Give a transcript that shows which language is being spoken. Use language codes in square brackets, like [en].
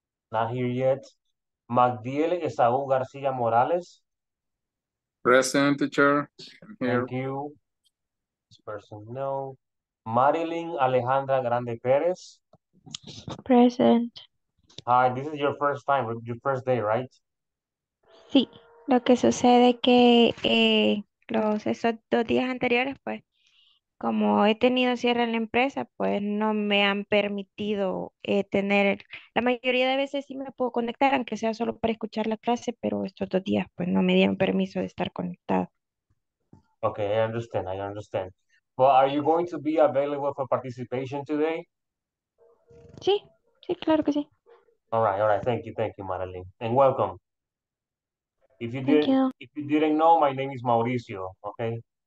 [en] Not here yet. Magdiel Esaú García Morales. Present, teacher. Thank you. This person, no. Marilyn Alejandra Grande Pérez. Present. Hi, this is your first time, your first day, right? [es] Sí. Lo que sucede que esos dos días anteriores, pues, como he tenido cierre en la empresa, pues no me han permitido tener, la mayoría de veces sí me puedo conectar, aunque sea solo para escuchar la clase, pero estos dos días pues no me dieron permiso de estar conectado. [en] Okay, I understand. Well, are you going to be available for participation today? [es] Sí, claro que sí. [en] All right, thank you, Marilyn, and welcome. If you didn't know, my name is Mauricio, okay?